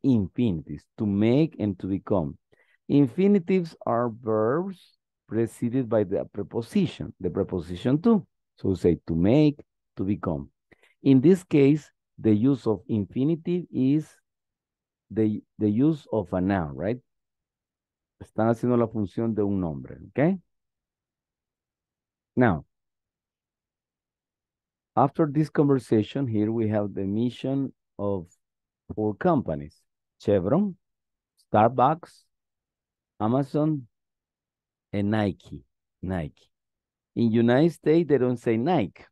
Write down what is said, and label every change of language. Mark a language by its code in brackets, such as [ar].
[en] Infinitives, to make and to become. Infinitives are verbs preceded by the preposition to. So we say to make, to become. In this case, the use of infinitive is the use of a noun, right? [es] Están haciendo la función de un nombre, okay? [en] Now, after this conversation, here we have the mission of four companies: Chevron, Starbucks, Amazon, and Nike. Nike. In United States, they don't say Nike.